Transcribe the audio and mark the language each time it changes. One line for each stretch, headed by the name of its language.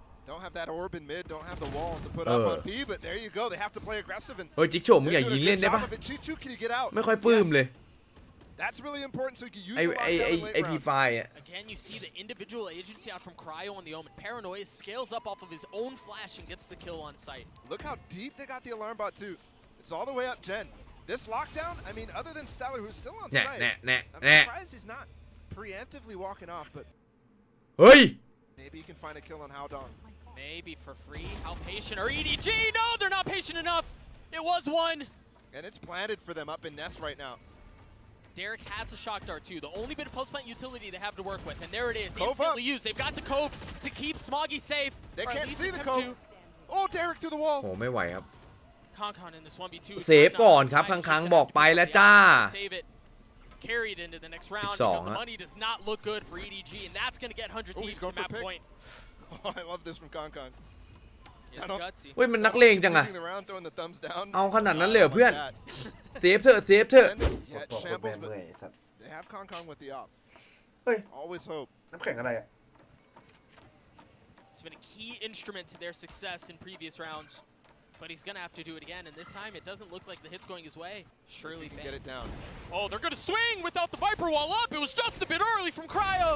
English: Don't have that orb in mid. Don't have the wall to put up on B. But there you go. They have to play aggressive.
Thai: เฮ้ยจิ๊กโฉมมึงอย่ายิงเล่นได้ปะไม่ค่อยปลื้มเลย
English: That's really important. So you use
Thai: ไอ้ P5 อ่ะ
English: Again, you see the individual agency out from Cryo on the Omen. Paranoia scales up off of his own flash and gets the kill on site. Look how deep they got the alarm bot too. It's all the way up Gen. This lockdown. I mean, other than Stellar, who's still on site. Nah. I'm surprised he's not preemptively walking off. But
Thai: เฮ้ย
English: Maybe you can find a kill on Howdon. Maybe for free. How patient are EDG? No, they're not patient enough. It was one. And it's planted for them up in Nest right now. Derek has a shock dart too. The only bit of post plant utility they have to work with. And there it is. Instantly used. They've got the cope to keep Smoggy safe. They can't see the cope. Oh, Derek through the wall.
Thai: Oh, ไม่ไหวครับ
English: Concon in this 1v2.
Thai: เซฟก่อนครับครั้งๆบอกไปแล้วจ้า
English: Carried into the next round. Because the money does not look good for EDG. And that's going to get 100 thieves to map point. Oh, I love this from Concon. It's gutsy.
Thai: เฮ้ยมันนักเลงจังอ่ะเอาขนาดนั้นเลยเหรอเพื่อนเซฟเถอะเซฟเถอะ บอกแบบเมื่อยสัตว์
English: They have Concon with the op.
Thai: เฮ้ย
English: Always hope.
Thai: น้ำแข็งอะไรอ่ะ
English: It's been a key instrument to their success in previous rounds, but he's gonna have to do it again, and this time it doesn't look like the hit's going his way. Surely get it down. Oh, they're gonna swing without the Viper wall up. It was just a bit early from Cryo.